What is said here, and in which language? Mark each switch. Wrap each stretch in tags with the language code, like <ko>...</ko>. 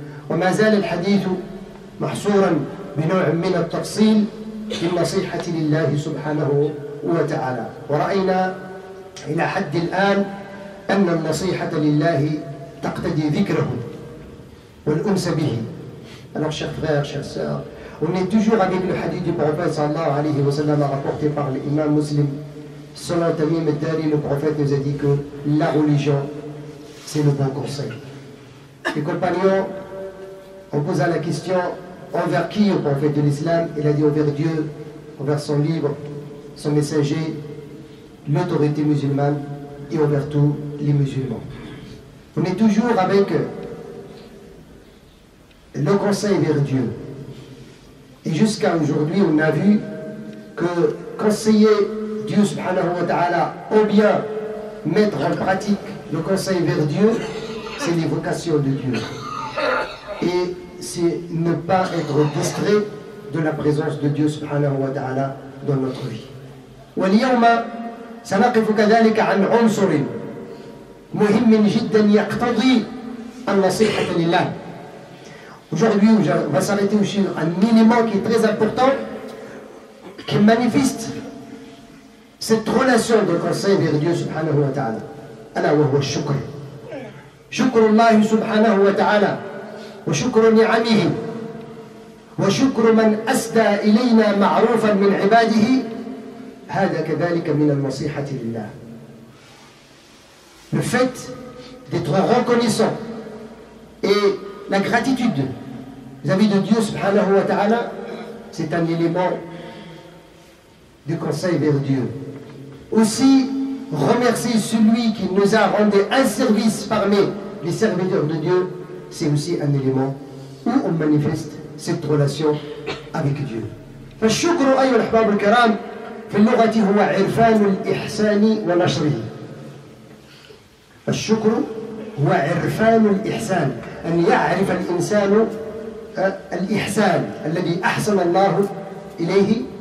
<ar>وما زال الحديث محصورا بنوع من التفصيل في النصيحة لله سبحانه وتعالى. ورأينا إلى حد الآن أن النصيحة لله تقتضي ذكره والأنس به.</ar> <fr>Alors, chers frères, chers sœurs, on est toujours avec le hadith du prophète sallallahu alayhi wa sallam rapporté par l'imam muslim. Selon Tamim al-Dari, le prophète nous a dit que la religion, c'est le bon conseil. Les compagnons, on posa la question: envers qui, au prophète de l'islam? Il a dit: envers Dieu, envers son livre, son messager, l'autorité musulmane et envers tous les musulmans. On est toujours avec le conseil vers Dieu. Et jusqu'à aujourd'hui, on a vu que conseiller Dieu subhanahu wa ta'ala ou bien mettre en pratique le conseil vers Dieu, c'est l'évocation de Dieu. Et c'est ne pas être distrait de la présence de Dieu subhanahu wa ta'ala dans notre vie.</fr> <ar>واليوم سنقف كذلك عن عنصر مهم جدا يقتضي النصيحة لله.</ar> <fr>Aujourd'hui, on va s'arrêter sur un élément qui est très important, qui manifeste cette relation de conseil vers Dieu subhanahu wa ta'ala.</fr> <ar>Ala wa huwa shukr. Shukr Allah subhanahu wa ta'ala. وشكر نعمه وشكر من أسدى إلينا معروفا من عباده، هذا كذلك من النصيحة لله.</ar> <fr>Le fait d'être reconnaissant et la gratitude vis-à-vis de Dieu subhanahu wa ta'ala, c'est un élément du conseil vers Dieu. Aussi, remercier celui qui nous a rendu un service parmi les serviteurs de Dieu, c'est aussi un élément où on manifeste cette relation avec Dieu.</fr> <ar>فالشكر أيها الأحباب الكرام في اللغة هو عرفان الإحسان ونشره. الشكر هو عرفان الإحسان، أن يعرف الإنسان الإحسان الذي أحسن الله إليه.</ar>